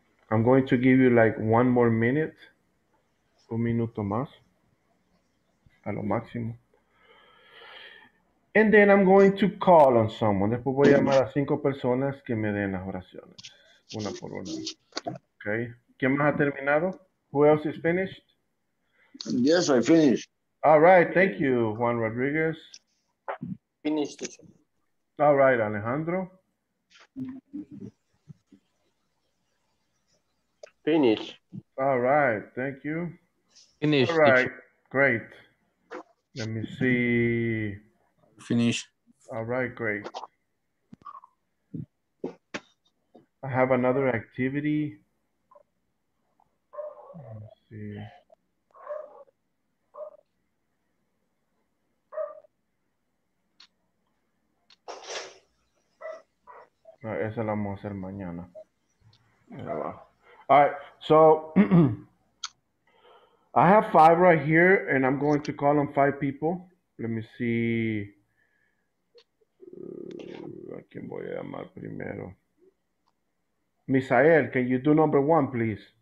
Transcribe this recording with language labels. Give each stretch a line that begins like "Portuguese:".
English: I'm going to give you like one more minute.
Spanish: Un minuto más. A lo máximo.
English: And then I'm going to call on someone.
Spanish: Después voy a llamar a cinco personas que me den las oraciones. Una por una. Okay. ¿Quién más ha terminado?
English: Who else is finished? Yes, I finished. All right. Thank you, Juan Rodriguez. Finished. All right, Alejandro. Finished. All right. Thank you. Finished. All right. Great. Let me see. Finished. All right. Great. I have another activity. Let me see. All right,
Spanish: esa la vamos a hacer mañana.
English: All right, so I have five right here, and I'm going to call on five people. Let me see.
Spanish: ¿A quién voy a llamar primero?
English: Misael, can you do number one, please?